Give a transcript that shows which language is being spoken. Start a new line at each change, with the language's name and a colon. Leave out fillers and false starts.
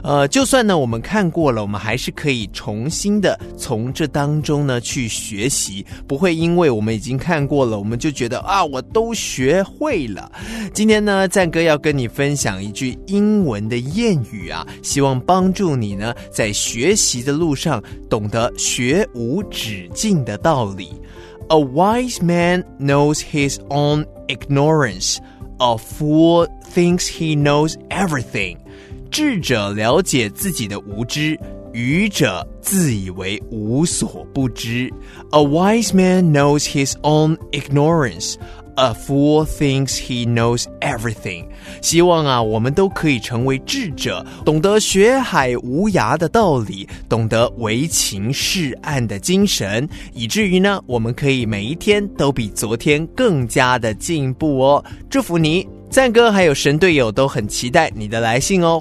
Chinese: 就算呢我们看过了我们还是可以重新的从这当中呢去学习不会因为我们已经看过了我们就觉得啊我都学会了今天呢赞哥要跟你分享一句英文的谚语啊，希望帮助你呢，在学习的路上懂得学无止境的道理。
English: A wise man knows his own ignorance. A fool thinks he knows everything.
Chinese: 智者了解自己的无知，愚者自以为无所不知。
English: A wise man knows his own ignorance. A fool thinks he knows everything.
Chinese: 希望啊，我们都可以成为智者，懂得学海无涯的道理，懂得唯情是岸的精神，以至于呢，我们可以每一天都比昨天更加的进步哦。祝福你，赞哥还有神队友都很期待你的来信哦。